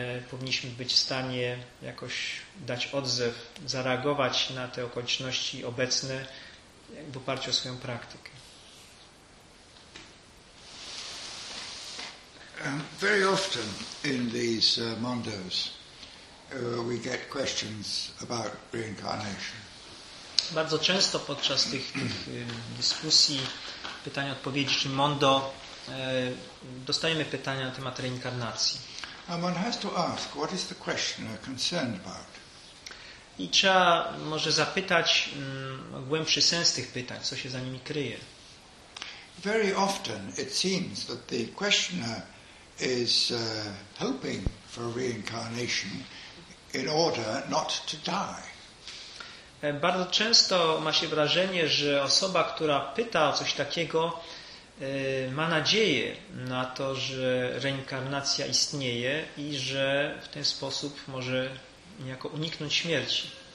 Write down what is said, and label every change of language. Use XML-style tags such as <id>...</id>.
<pl>powinniśmy być w stanie jakoś dać odzew, zareagować na te okoliczności obecne w oparciu o swoją praktykę.</pl> <en>Very often in these mondos we get questions about reincarnation.</en> <pl>Bardzo często podczas tych dyskusji, pytań, odpowiedzi czy mondo, dostajemy pytania na temat reinkarnacji.</pl> <en>And one has to ask, what is the questioner concerned about?</en> <pl>I trzeba może zapytać głębszy sens tych pytań, co się za nimi kryje.</pl> <en>Very often it seems that the questioner is hoping for reincarnation in order not to die.</en> <pl>Bardzo często ma się wrażenie, że osoba, która pyta o coś takiego, ma nadzieję na to, że reinkarnacja istnieje i że w ten sposób może niejako uniknąć śmierci.</pl>